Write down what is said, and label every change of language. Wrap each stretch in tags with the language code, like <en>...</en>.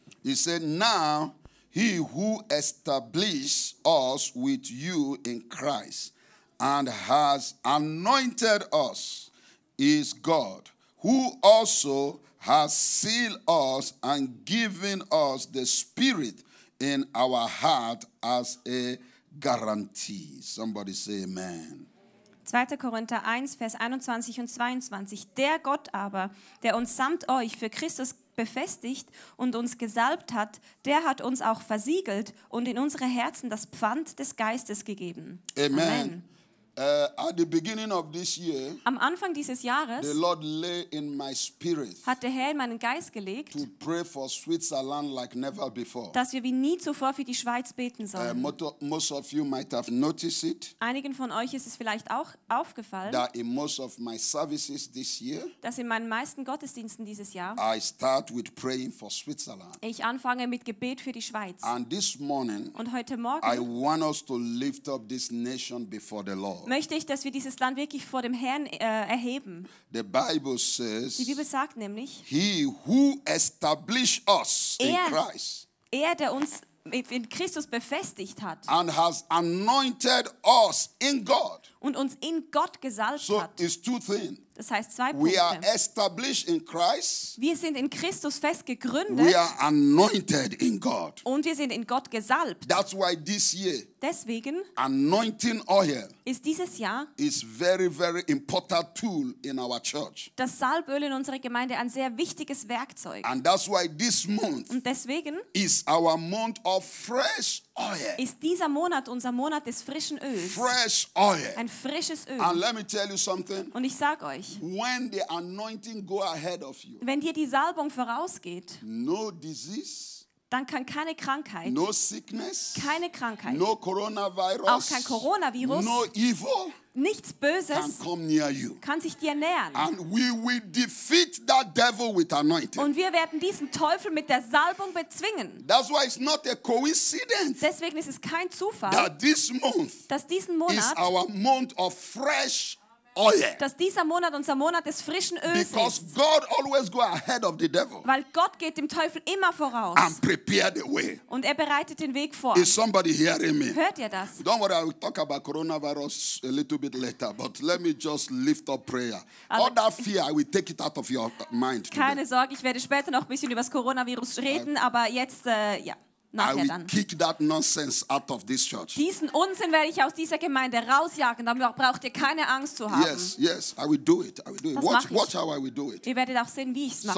<en>He said, Now he who established us with you in Christ and has anointed us is God, who also has sealed us and given us the Spirit in our heart as a Guarantee. Somebody say amen.</en> <de>2. Korinther 1, Vers 21 und 22. Der Gott aber, der uns samt euch für Christus befestigt und uns gesalbt hat, der hat uns auch versiegelt und in unsere Herzen das Pfand des Geistes gegeben.</de> <en>Amen. At the beginning of this year,</en> <de>am Anfang dieses Jahres,</de> <en>the Lord lay in my spirit,</en> <de>hat der Herr in meinen Geist gelegt,</de> <en>to pray for Switzerland like never before.</en> <de>Dass wir wie nie zuvor für die Schweiz beten sollen.</de> <en>Most of you might have noticed it.</en> <de>Einigen von euch ist es vielleicht auch aufgefallen,</de> <en>that in most of my services this year,</en> <de>dass in meinen meisten Gottesdiensten dieses Jahr,</de> <en>I start with praying for Switzerland.</en> <de>Ich anfange mit Gebet für die Schweiz.</de> <en>And this morning,</en> <de>und heute Morgen,</de> <en>I want us to lift up this nation before the Lord.</en> <de>Möchte ich, dass wir dieses Land wirklich vor dem Herrn erheben.</de> <en>The Bible says,</en> <de>die Bibel sagt nämlich,</de> <en>he who established us</en> <de>er,</de> <en>in Christ,</en> <de>er, der uns in Christus befestigt hat</de> <en>and has anointed us in God,</en> <de>und uns in Gott gesalbt</de> <en>so</en> <de>hat.</de> <en>It's two things.</en> <de>Das heißt zwei Punkte.</de> <en>We are established in Christ,</en> <de>wir sind in Christus fest gegründet,</de> <en>we are anointed in God.</en> <de>Und wir sind in Gott gesalbt.</de> <en>That's why this year,</en> <de>deswegen</de> <en>anointing oil</en> <de>ist dieses Jahr</de> <en>is very, very important tool in our church.</en> <de>Das Salböl in unserer Gemeinde ein sehr wichtiges Werkzeug.</de> <en>And that's why this month,</en> <de>und deswegen</de> <en>is our month of fresh oil.</en> <de>Ist dieser Monat unser Monat des frischen Öls.</de> <en>Fresh oil.</en> <de>Ein frisches Öl.</de> <en>And let me tell you something.</en> <de>Und ich sage euch,</de> <en>when the anointing go ahead of you,</en> <de>wenn dir die Salbung vorausgeht,</de> <en>no disease,</en> <de>dann kann keine Krankheit,</de> <en>no sickness,</en> <de>keine Krankheit,</de> <en>no coronavirus,</en> <de>auch kein Coronavirus,</de> <en>no evil,</en> <de>nichts Böses</de> <en>can come near you,</en> <de>kann sich dir nähern.</de> <en>And we will defeat that devil with anointing.</en> <de>Und wir werden diesen Teufel mit der Salbung bezwingen.</de> <en>That's why it's not a coincidence,</en> <de>deswegen ist es kein Zufall,</de> <en>that this month,</en> <de>dass diesen Monat</de> <en>is our month of fresh</en> <de>dass dieser Monat unser Monat des frischen Öls ist.</de> <en>Because God always go ahead of the devil.</en> <de>Weil Gott geht dem Teufel immer voraus.</de> <en>And prepare the way.</en> <de>Und er bereitet den Weg vor.</de> <en>Is somebody hearing me?</en> <de>Hört ihr das?</de> <en>Don't worry, I will talk about coronavirus a little bit later, but let me just lift up prayer.</en> <de>Also,</de> <en>all that fear, I will take it out of your mind.</en> <de>Keine</de> <en>today.</en> <de>Sorge, ich werde später noch ein bisschen über das Coronavirus reden, aber jetzt, ja.</de> <en>I will kick that nonsense out of this church.</en> <de>Diesen Unsinn werde ich aus dieser Gemeinde rausjagen. Dann braucht ihr keine Angst zu haben.</de> <en>Yes, yes, I will do it. I will do it. Watch how I will do it.</en> <de>Ihr werdet auch sehen, wie ich es machen</de>